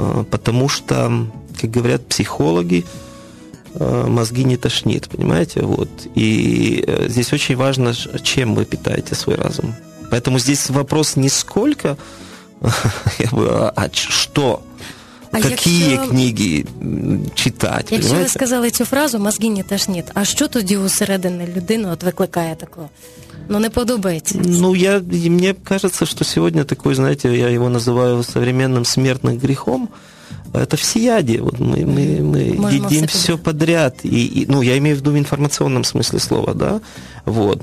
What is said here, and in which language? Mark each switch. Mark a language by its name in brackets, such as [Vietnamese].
[Russian] Потому что, как говорят психологи, мозги не тошнит, понимаете? Вот. И здесь очень важно, чем вы питаете свой разум. Поэтому здесь вопрос не сколько, а что? Какие книги читать? [Ukrainian] Якщо ви сказали цю фразу [Russian] «мозги не тошнит», [Ukrainian] а що тоді у середини людини викликає таке? Ну, не подобається. [Russian] Ну, мне кажется, что сегодня такой, знаете, я его называю современным смертным грехом. Это всеядие. Вот мы едим все подряд. И, ну, я имею в виду в информационном смысле слова, да. Вот.